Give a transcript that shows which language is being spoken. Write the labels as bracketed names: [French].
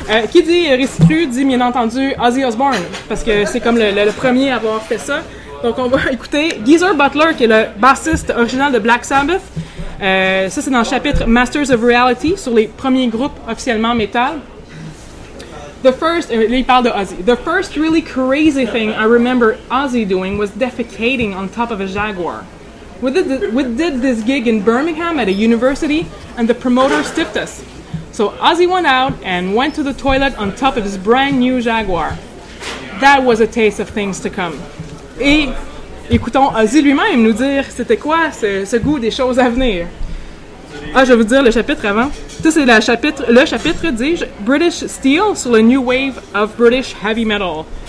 [French] Qui dit récit cru dit, bien entendu, Ozzy Osbourne, parce que c'est comme le premier à avoir fait ça. Donc, on va écouter Geezer Butler, qui est le bassiste original de Black Sabbath. Ça, c'est dans le chapitre Masters of Reality, sur les premiers groupes officiellement métal. [English] The first, [French] là, il parle de Ozzy. [English] The first really crazy thing I remember Ozzy doing was defecating on top of a Jaguar. We did this gig in Birmingham at a university, and the promoter stiffed us. So Ozzy went out and went to the toilet on top of his brand new Jaguar. That was a taste of things to come. [French] Et écoutons Ozzy lui-même nous dire c'était quoi ce goût des choses à venir. Ah, je vais vous dire le chapitre avant. Ça, c'est le chapitre, dis-je, British Steel sur le New Wave of British Heavy Metal.